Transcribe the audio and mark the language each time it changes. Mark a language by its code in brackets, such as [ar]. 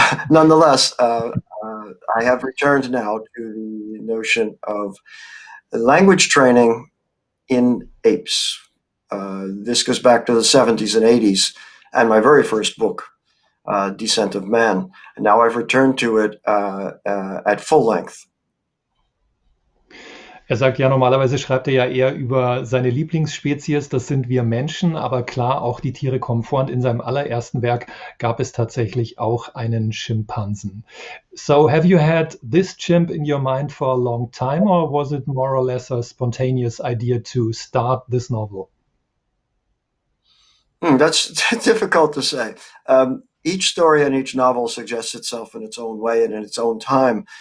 [en] Nonetheless, I have returned now to the notion of language training in apes. This goes back to the 70s and 80s and my very first book, Descent of Man. And now I've returned to it at full length. [de] Er sagt ja, normalerweise schreibt er ja eher über seine Lieblingsspezies, das sind wir Menschen, aber klar, auch die Tiere kommen vor und in seinem allerersten Werk gab es tatsächlich auch einen Schimpansen. [en] So have you had this chimp in your mind for a long time or was it more or less a spontaneous idea to start this novel? That's difficult to say. Each story and each novel suggests itself in its own way and in its own time.